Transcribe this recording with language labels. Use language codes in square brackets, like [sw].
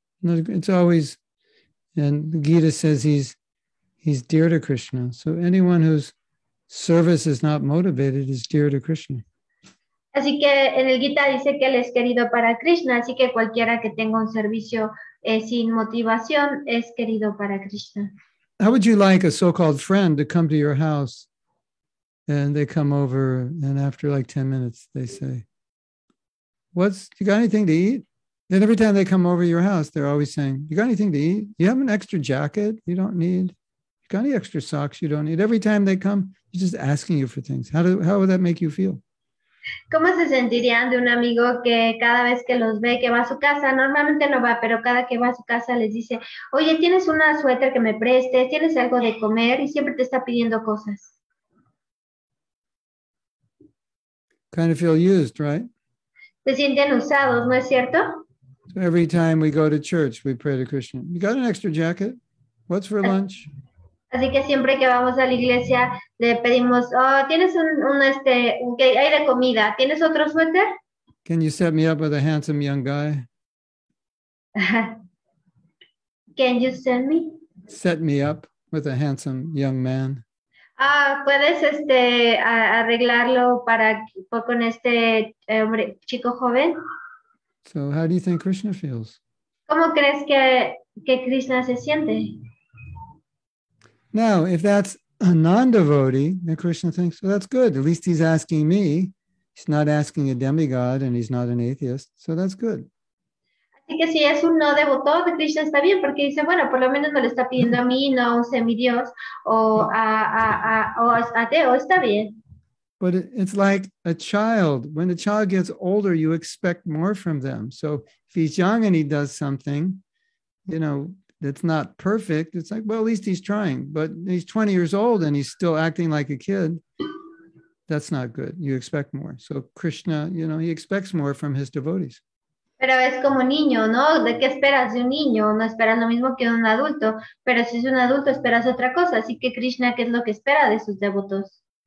[en] It's always, and Gita says he's dear to Krishna. So anyone whose service is not motivated is dear to Krishna. [es] Así que en el Gita dice que él es querido para Krishna, así que cualquiera que tenga un servicio sin motivación es querido para Krishna. [en] How would you like a so-called friend to come to your house and they come over and after like 10 minutes they say, what's, you got anything to eat? And every time they come over your house, they're always saying, you got anything to eat? You have an extra jacket you don't need? You got any extra socks you don't need? Every time they come, they're just asking you for things. How would that make you feel? [es] ¿Cómo se sentirían de un amigo que cada vez que los ve, que va a su casa, normalmente no va, pero cada que va a su casa les dice, oye, ¿tienes una suéter que me prestes? ¿Tienes algo de comer? Y siempre te está pidiendo cosas. [en] Kind of feel used, right? [es] Se sienten usados, ¿no es cierto? [en] So every time we go to church, we pray to Krishna. You got an extra jacket? What's for lunch? [es] Así que siempre que vamos a la iglesia le pedimos, oh, ¿tienes un que hay de comida? ¿Tienes otro suéter? [en] Can you set me up with a handsome young guy? Can you send me? Set me up with a handsome young man. [es] Ah, ¿puedes arreglarlo para con este hombre chico joven? [en] So how do you think Krishna feels? [es] ¿Cómo crees que Krishna se siente? [en] Now, if that's a non-devotee, then Krishna thinks, well, that's good. At least he's asking me. He's not asking a demigod and he's not an atheist. So that's good. [es] Así que si es un no devoto, Krishna está bien porque dice, bueno, por lo menos me lo está pidiendo a mí, no a un semidios o ateo, está bien. [en] But it's like a child. When a child gets older, you expect more from them. So if he's young and he does something, you know, that's not perfect. It's like, well, at least he's trying. But he's 20 years old and he's still acting like a kid. That's not good. You expect more. So Krishna, you know, he expects more from his devotees. [es] Pero es como niño, ¿no? ¿De qué esperas de un niño? No esperas lo mismo que un adulto. Pero si es un adulto, esperas otra cosa. Así que Krishna, ¿qué es lo que espera de sus devotos?